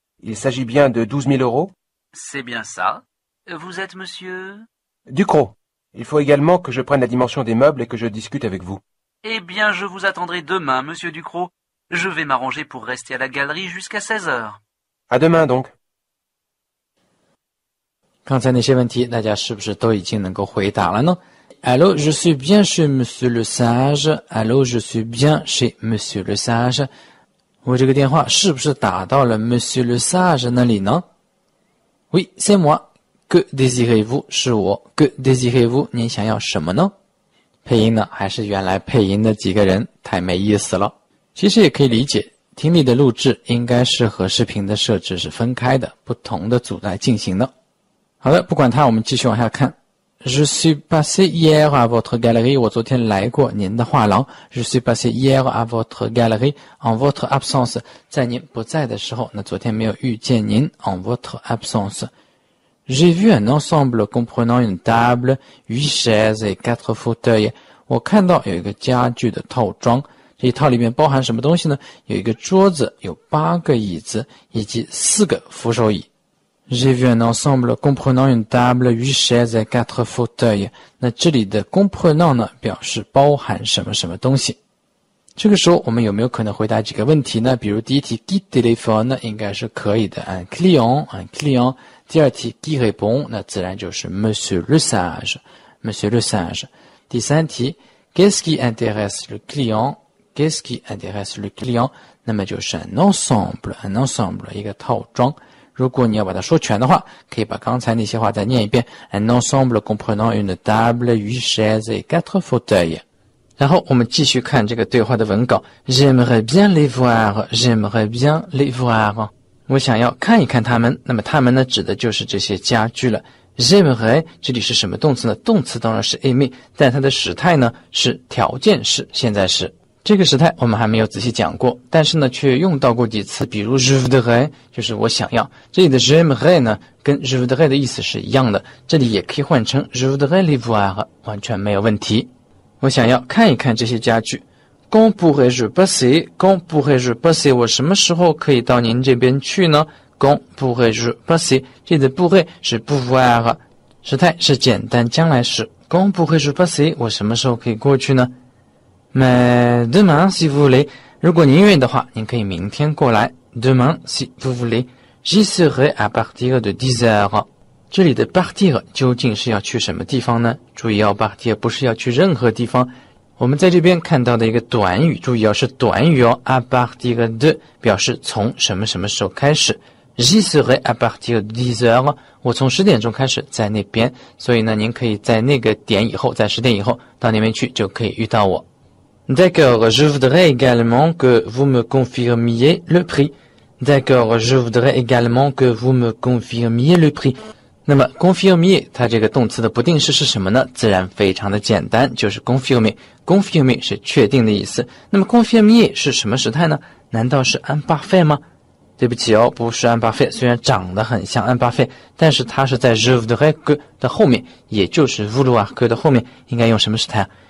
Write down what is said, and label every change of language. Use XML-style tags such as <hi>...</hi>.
<fr>Il s'agit bien de 12 000 euros? C'est bien ça. Vous êtes monsieur... Ducrot. Il faut également que je prenne la dimension des meubles et que je discute avec vous. Eh bien, je vous attendrai demain, monsieur Ducrot. Je vais m'arranger pour rester à la galerie jusqu'à 16 heures. À demain, donc.</fr> <zh>刚才那些问题，大家是不是都已经能够回答了呢？</zh> <fr>Allô, je suis bien chez monsieur le sage. Allô, je suis bien chez monsieur le sage.</fr> <zh>我这个电话是不是打到了 Monsieur le Sage 那里呢？</zh> <fr>Oui, c'est moi. Que désirez-vous?</fr> <zh>是我。</zh> <fr>Que désirez-vous?</fr> <zh>您想要什么呢？配音呢，还是原来配音的几个人，太没意思了。其实也可以理解，听力的录制应该是和视频的设置是分开的，不同的组来进行的。好的，不管它，我们继续往下看。</zh> <fr>Je suis passé hier à votre galerie,</fr> <zh>我昨天来过您的画廊.</zh> <fr>Je suis passé hier à votre galerie en votre absence.</fr> <zh>在您不在的时候, 那昨天没有遇见您,</zh> <fr>en votre absence. J'ai vu un ensemble comprenant une table, 8 chaises et 4 fauteuils.</fr> <zh>我看到有一个家具的套装。这一套里面包含什么东西呢? 有一个桌子,有8个椅子,以及4个扶手椅。</zh> <fr>J'ai vu un ensemble comprenant une table, 8 chaises et 4 fauteuils.</fr> <zh>那这里的 comprenant 呢,表示包含什么什么东西。这个时候,我们有没有可能回答几个问题呢? 比如第一题,</zh> <fr>qui téléphone</fr> <zh>应该是可以的,</zh> <fr>un client, un client.</fr> <zh>第二题,</zh> <fr>qui répond</fr> <zh>那自然就是 monsieur le sage, monsieur le sage. 第三题,</zh> <fr>qu'est-ce qui intéresse le client?</fr> <zh>Qu'est-ce qui intéresse le client? 那么就是</zh> <fr>un ensemble,</fr> <zh>一个套装。如果你要把它说全的话, 可以把刚才那些话再念一遍,</zh> <fr>un ensemble comprenant une table, 8 chaises et 4 fauteuils.</fr> <zh>然后我们继续看这个对话的文稿,</zh> <fr>j'aimerais bien les voir,</fr> <zh>j'aimerais bien les voir. 我想要看一看他们, 那么他们呢, 指的就是这些家具了。 j'aimerais, 这里是什么动词呢?动词当然是 aimer, 但它的时态呢, 是条件式, 现在是。这个时态我们还没有仔细讲过, 但是呢却用到过几次, 比如</zh> <fr>je voudrais,</fr> <zh>就是我想要, 这里的 j'aimerais 呢, 跟 je voudrais 的意思是一样的, 这里也可以换成</zh> <fr>je voudrais les voir,</fr> <zh>完全没有问题。我想要看一看这些家具,</zh> <fr>quand pourrais-je passer, quand pourrais-je passer,</fr> <zh>我什么时候可以到您这边去呢?</zh> <fr>quand pourrais-je passer,</fr> <zh>这里的 pourrais 是 pouvoir, 时态是简单将来时, quand pourrais-je passer, 我什么时候可以过去呢?</zh> <fr>Mais demain, si vous voulez,</fr> <zh>如果您愿意的话, 您可以明天过来,</zh> <fr>demain, si vous voulez, j'y serai à partir de 10h.</fr> <zh>这里的 partir 究竟是要去什么地方呢?注意要 partir 不是要去任何地方, 我们在这边看到的一个短语, 注意要是短语哦,</zh> <fr>à partir de,</fr> <zh>表示从什么什么时候开始,</zh> <fr>j'y serai à partir de 10h,</fr> <zh>我从10点钟开始在那边, 所以呢您可以在那个点以后, 在10点以后, 到那边去就可以遇到我。</zh> <fr>D'accord, je voudrais également que vous me confirmiez le prix. D'accord, je voudrais également que vous me confirmiez le prix.</fr> <zh>那么 confirmer 它这个动词的不定式是什么呢?自然非常的简单, 就是 confirmer. Confirmer 是确定的意思。那么 confirmer 是什么时态呢? 难道是 imparfait 吗?对不起哦, 不是 imparfait, 虽然长得很像 imparfait, 但是它是在</zh> <fr>je voudrais que</fr> <zh>的后面, 也就是</zh> <fr>vouloir que</fr> <zh>的后面, 应该用什么时态?</zh>